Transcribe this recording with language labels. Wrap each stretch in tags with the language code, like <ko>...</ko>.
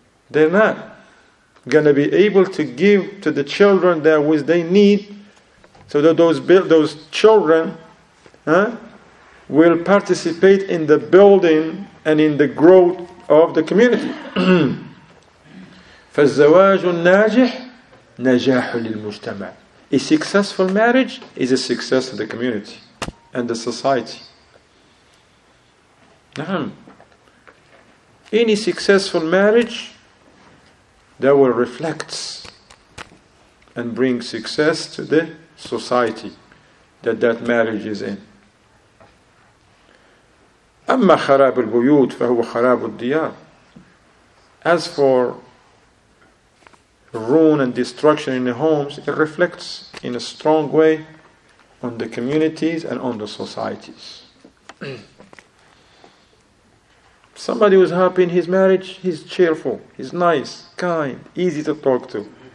<en>They're not going to be able to give to the children that which they need so that those children will participate in the building and in the growth of the community.</en> <ar>فالزواج الناجح نجاح للمجتمع.</ar> <en>A successful marriage is a success for the community and the society.</en> <ar>نعم.</ar> <en>Any successful marriage that will reflect and bring success to the society that marriage is in.</en> <ar>أما خراب البيوت فهو خراب الديار.</ar> <en>As for ruin and destruction in the homes, it reflects in a strong way on the communities and on the societies. Somebody who's happy in his marriage, he's cheerful, he's nice, kind, easy to talk to.</en>